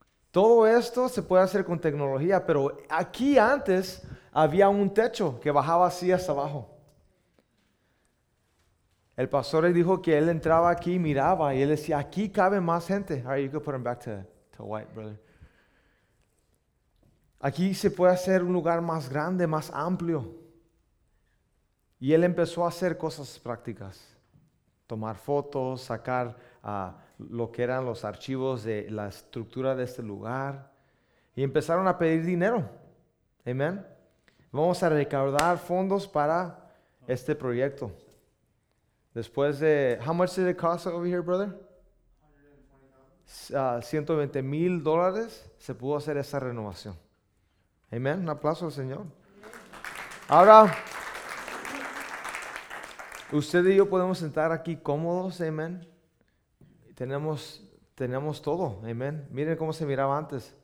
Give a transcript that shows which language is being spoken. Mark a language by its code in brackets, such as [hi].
[es] Todo esto se puede hacer con tecnología, pero aquí antes había un techo que bajaba así hasta abajo. El pastor dijo que él entraba aquí y miraba, y él decía, aquí cabe más gente. [en] All right, you can put him back to white, brother. [es] Aquí se puede hacer un lugar más grande, más amplio. Y él empezó a hacer cosas prácticas. Tomar fotos, sacar a lo que eran los archivos de la estructura de este lugar y empezaron a pedir dinero. Amén. Vamos a recaudar fondos para este proyecto. Después de. [en] How much did it cost over here, brother? [es] 120 mil dólares, se pudo hacer esa renovación. Amén. Un aplauso al Señor. Ahora, usted y yo podemos sentar aquí cómodos, amén. Tenemos todo, amén. Miren cómo se miraba antes.